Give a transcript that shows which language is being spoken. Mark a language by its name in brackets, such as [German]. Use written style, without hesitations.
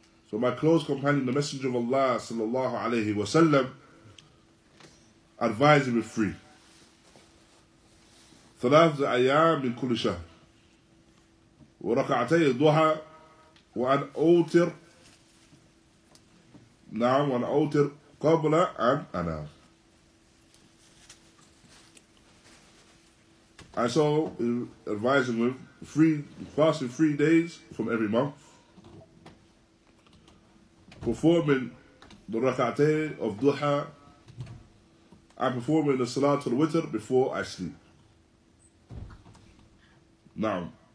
[English] So my close companion, the Messenger of Allah sallallahu alayhi wa sallam, advise him with three. [Arabic] ثلاثة أيام من كل شهر وركعتي الضحى وأن أوتر نعم وأن أوتر قبل أن أنام. [English] And so advising him fasting 3 days from every month, performing the ركعتي of الضحى, and performing the Salat al-Witr before I sleep. Now,